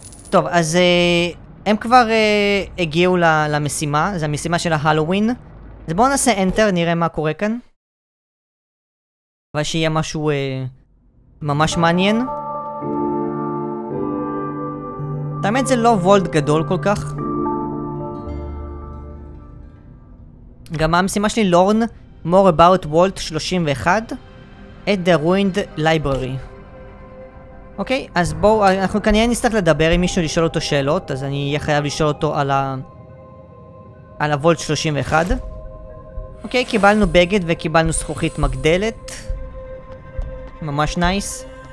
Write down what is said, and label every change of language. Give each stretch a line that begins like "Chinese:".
Hebrew: טוב, אז הם כבר הגיעו למשימה, זו המשימה של ההלווין. אז בואו נעשה Enter, נראה מה קורה כאן. מקווה שיהיה משהו ממש מעניין. האמת זה לא וולד גדול כל כך. גם המשימה שלי,
English: learn more about vault 31 at the ruined library.
Hebrew: אוקיי, אז בואו, אנחנו כנראה נצטרך לדבר עם מישהו, לשאול אותו שאלות, אז אני אהיה חייב לשאול אותו על על הוולט 31. אוקיי, קיבלנו בגד וקיבלנו זכוכית מגדלת. ממש נייס.